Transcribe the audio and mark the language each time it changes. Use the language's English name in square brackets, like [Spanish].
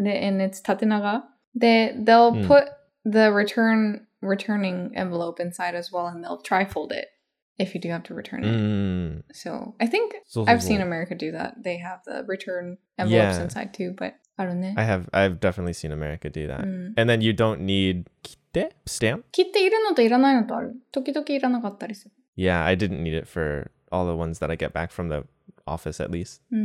[Japanese] なんだろう、封筒がなんかちっちゃい、ちっちゃいというか細いのね。そうそうそう。なんか細いよね。うん、気持ち細くて、で、縦長。で、they'll [English] put the returning envelope inside as well, and they'll trifold it if you do have to return it. So I think I've seen America do that. They have the return envelopes inside too, but I don't know. I've definitely seen America do that. And then you don't need stamp? [Japanese] 切っているのといらないのとある。時々いらなかったりする。 [English] Yeah, I didn't need it for all the ones that I get back from the office at least.